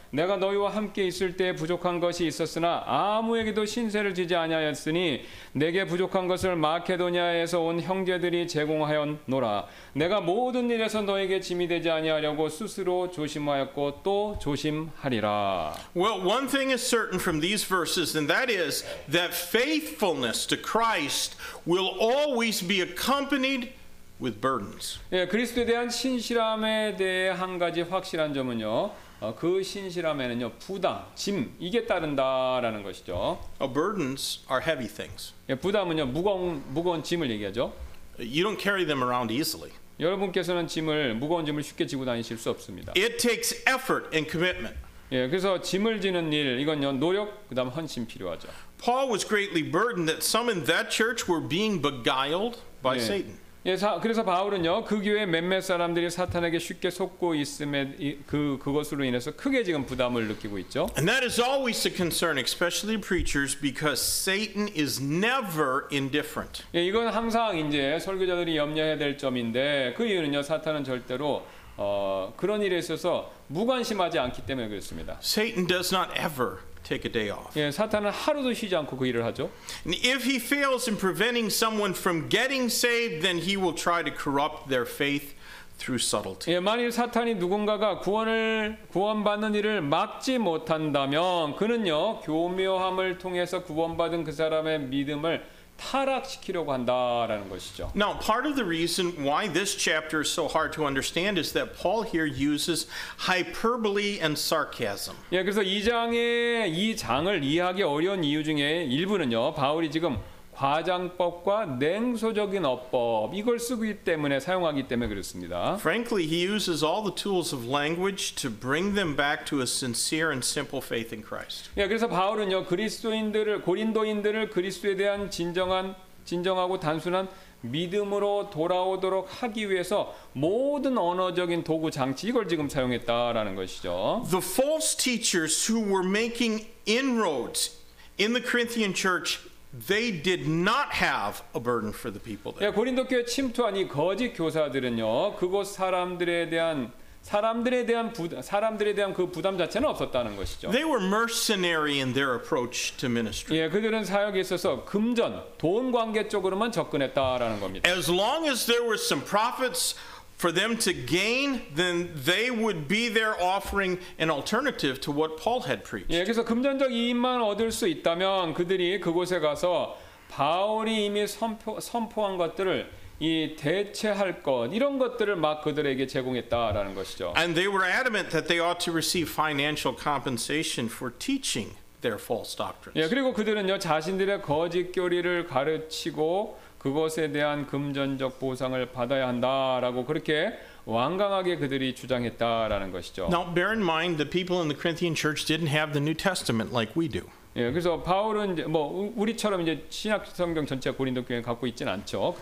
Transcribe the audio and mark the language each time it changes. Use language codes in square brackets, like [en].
[ko] 내가 너희와 함께 있을 때 부족한 것이 있었으나 아무에게도 신세를 지지 아니하였으니 내게 부족한 것을 마케도니아에서 온 형제들이 제공하였노라. 내가 모든 일에서 너에게 짐이 되지 아니하려고 스스로 조심하였고 또 조심하리라. [en] Well, one thing is certain from these verses, and that is that faithfulness to Christ will always be accompanied with burdens. [ko] 예, 그리스도에 대한 신실함에 대해 한 가지 확실한 점은요. 그 신실함에는요 부담, 짐 이게 따른다라는 것이죠. [en] Burdens are heavy things. [ko] 예, 부담은요 무거운 짐을 얘기하죠. [en] You don't carry them around easily. [ko] 여러분께서는 짐을 무거운 짐을 쉽게 지고 다니실 수 없습니다. [en] It takes effort and commitment. [ko] 예, 그래서 짐을 지는 일 이건요 노력 그다음 헌신 필요하죠. [en] Paul was greatly burdened that some in that church were being beguiled by Satan. [ko] 예, 그래서 바울은요 그 교회 몇몇 사람들이 사탄에게 쉽게 속고 있음에 그것으로 인해서 크게 지금 부담을 느끼고 있죠. [en] And that is always a concern, especially preachers, because Satan is never indifferent. [ko] 예, 이건 항상 이제 설교자들이 염려해야 될 점인데 그 이유는요 사탄은 절대로 그런 일에 있어서 무관심하지 않기 때문에 그렇습니다. [en] Satan does not ever take a day off. [ko] 예, 사탄은 하루도 쉬지 않고 그 일을 하죠. [en] And if he fails in preventing someone from getting saved, then he will try to corrupt their faith through subtlety. [ko] 예, 만일 사탄이 누군가가 구원받는 일을 막지 못한다면 그는요, 교묘함을 통해서 구원받은 그 사람의 믿음을 타락시키려고 한다라는 것이죠. [en] Now, part of the reason why this chapter is so hard to understand is that Paul here uses hyperbole and sarcasm. [ko] 예, 그래서 이 장을 이해하기 어려운 이유 중에 일부는요, 바울이 지금 과장법과 냉소적인 어법 이걸 쓰기 때문에 사용하기 때문에 그렇습니다. [en] Frankly, he uses all the tools of language to bring them back to a sincere and simple faith in Christ. [ko] 예, 그래서 바울은요 고린도인들을 그리스도에 대한 진정하고 단순한 믿음으로 돌아오도록 하기 위해서 모든 언어적인 도구 장치 이걸 지금 사용했다라는 것이죠. [en] The false teachers who were making inroads in the Corinthian church. They did not have a burden for the people there. [ko] 예, 고린도 교회 침투한 이 거짓 교사들은요, 그곳 사람들에 대한 그 부담 자체는 없었다는 것이죠. [en] They were mercenary in their approach to ministry. [ko] 예, 그들은 사역에 있어서 금전, 돈 관계 쪽으로만 접근했다라는 겁니다. [en] As long as there were some profits for them to gain, then they would be there offering an alternative to what Paul had preached. [ko] 예, 그래서 금전적 이익만 얻을 수 있다면 그들이 그곳에 가서 바울이 이미 선포한 것들을 이 대체할 것 이런 것들을 막 그들에게 제공했다라는 것이죠. [en] And they were adamant that they ought to receive financial compensation for teaching their false doctrines. [ko] 예, 그리고 그들은요 자신들의 거짓 교리를 가르치고 그것에 대한 금전적 보상을 받아야 한다라고 그렇게 완강하게 그들이 주장했다라는 것이죠. [en] Now bear in mind the people in the Corinthian church didn't have the New Testament like we do. [ko] 예, 그래서 바울은 이제 뭐 우리처럼 이제 신약 성경 전체 고린도 교회 갖고 있진 않죠.